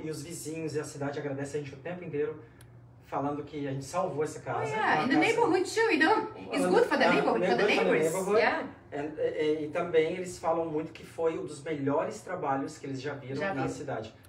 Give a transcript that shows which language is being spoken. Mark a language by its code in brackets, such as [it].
[pt] E os vizinhos e a cidade agradecem a gente o tempo inteiro falando que a gente salvou essa casa. [en] Oh, yeah, in the neighborhood too, you know? It's good for the neighborhood, for the neighbors. Yeah. [pt] E também eles falam muito que foi um dos melhores trabalhos que eles já viram na cidade.